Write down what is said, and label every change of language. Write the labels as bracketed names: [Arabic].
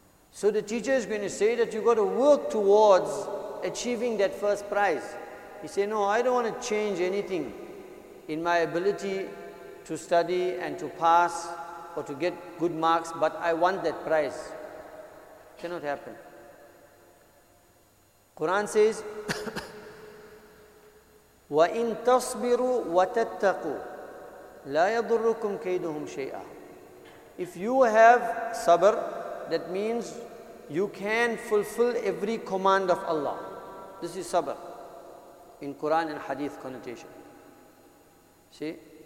[English] So the teacher is going to say that you've got to work towards achieving that first prize. He says, no, I don't want to change anything in my ability to study and to pass or to get good marks, but I want that prize. Cannot happen. Quran says, [Arabic] وَإِن تَصْبِرُوا وَتَتَّقُوا لَا يَضُرُّكُمْ كَيْدُهُمْ شَيْئًا. [English] If you have sabr, that means you can fulfill every command of Allah. This is sabr in Quran and hadith connotation. See?